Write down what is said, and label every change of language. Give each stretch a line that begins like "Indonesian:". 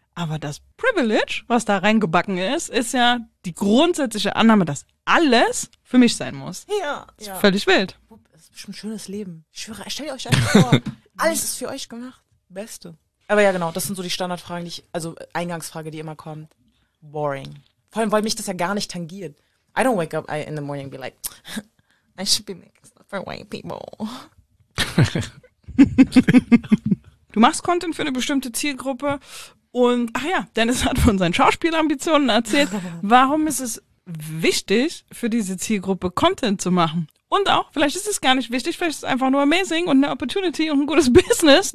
German: Aber das Privilege, was da reingebacken ist, ist ja die grundsätzliche Annahme, dass alles für mich sein muss. Ja. Das ist völlig wild. Das ist ein schönes Leben. Ich schwöre, stell euch einfach vor. Alles ist für euch gemacht. Beste. Aber ja, genau, das sind so die Standardfragen, die ich, also Eingangsfrage, die immer kommt. Boring. Vor allem, weil mich das ja gar nicht tangiert.
English: I don't wake up in the morning and be like, I should be making stuff for white people.
German: Du machst Content für eine bestimmte Zielgruppe und, ach ja, Dennis hat von seinen Schauspielambitionen erzählt. Warum ist es wichtig, für diese Zielgruppe Content zu machen? Und auch, vielleicht ist es gar nicht wichtig, vielleicht ist es einfach nur amazing und eine Opportunity und ein gutes Business.